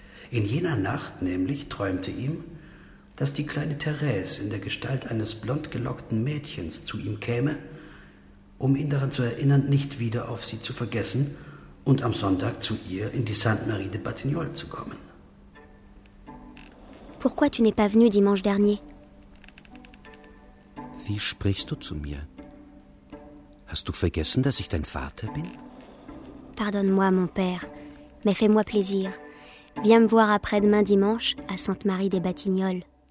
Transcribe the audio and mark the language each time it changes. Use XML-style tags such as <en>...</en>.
<de>In jener Nacht nämlich träumte ihm, dass die kleine Therese in der Gestalt eines blond gelockten Mädchens zu ihm käme, um ihn daran zu erinnern, nicht wieder auf sie zu vergessen und am Sonntag zu ihr in die Sainte-Marie de Batignolles zu kommen.</de> <fr>Pourquoi tu n'es pas venu dimanche dernier?</fr> <de>Wie sprichst du zu mir? Hast du vergessen, dass ich dein Vater bin?</de> <fr>Pardonne-moi, mon père, mais fais-moi plaisir. Viens me voir après-demain dimanche à Sainte-Marie des Batignolles.</fr>